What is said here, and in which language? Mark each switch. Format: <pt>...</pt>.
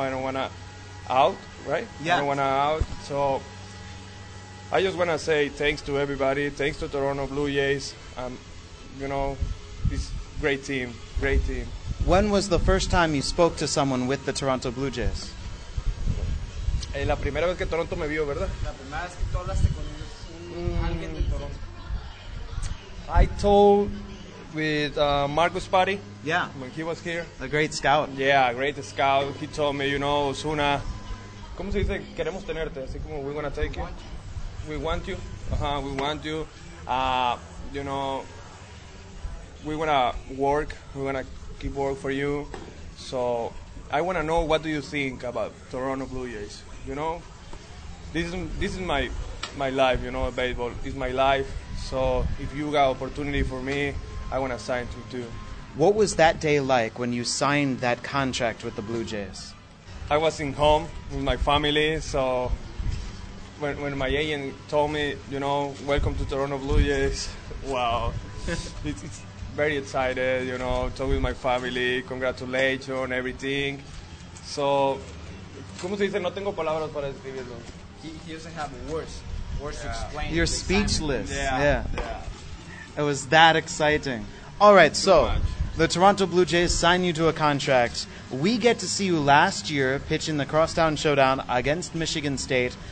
<en>I don't want to out, right? Yeah. I don't want to out. So I just want to say thanks to everybody. Thanks to Toronto Blue Jays. You know, it's great team. Great team. When was the first time you spoke to someone with the Toronto Blue Jays?</en> <es>La primera vez que Toronto me vio, ¿verdad? La primera vez que tú hablaste con alguien de Toronto.</es> <en>I told with Marcus Patti. Yeah. When he was here. A great scout. Yeah, great scout. He told me, you know, Osuna,</en> <es>¿cómo se dice? Queremos tenerte. Así como</es> <en>we're going to take you. We want you. Uh-huh, we want you. You know, we want to work, we want to keep work for you. So I want to know, what do you think about Toronto Blue Jays? You know, this is my life, you know. Baseball is my life. So if you got opportunity for me, I want to sign to you too. What was that day like when you signed that contract with the Blue Jays? I was in home with my family. So when my agent told me, you know, welcome to Toronto Blue Jays, wow. It's very excited, you know, talk with my family, congratulations, everything.</en> <es>So, ¿cómo se dice? No tengo palabras para describirlo.</es> <en>He doesn't have words yeah. to explain. You're speechless. Yeah. It was that exciting. All right, so the Toronto Blue Jays sign you to a contract. We get to see you last year pitching the Crosstown Showdown against Michigan State.</en>